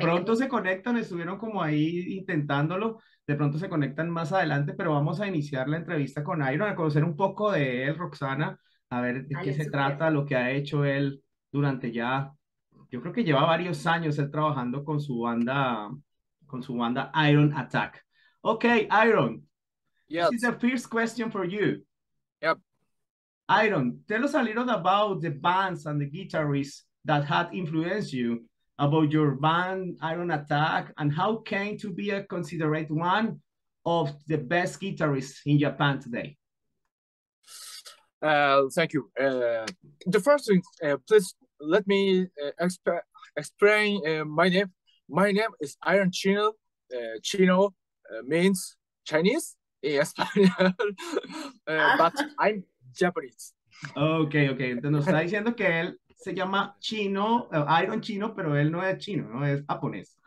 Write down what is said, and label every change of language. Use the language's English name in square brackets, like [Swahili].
[Spanish] De pronto se conectan, estuvieron como ahí intentándolo, de pronto se conectan más adelante, pero vamos a iniciar la entrevista con Iron, a conocer un poco de él, Roxana, a ver de qué se trata, lo que ha hecho él durante ya... Yo creo que lleva varios años él trabajando con su banda Iron Attack. [English] Okay, Iron. Yes. This is the first question for you. Yep. Iron, tell us a little about the bands and the guitarists that had influenced you, about your band Iron Attack, and how came to be a considered one of the best guitarists in Japan today. Thank you. The first thing, please. Let me explain my name. My name is Iron Chino. Chino means Chinese in Spanish, but I'm Japanese. Okay, okay. [Spanish] Entonces nos está diciendo que él se llama Chino, Iron Chino, pero él no es chino, no es japonés.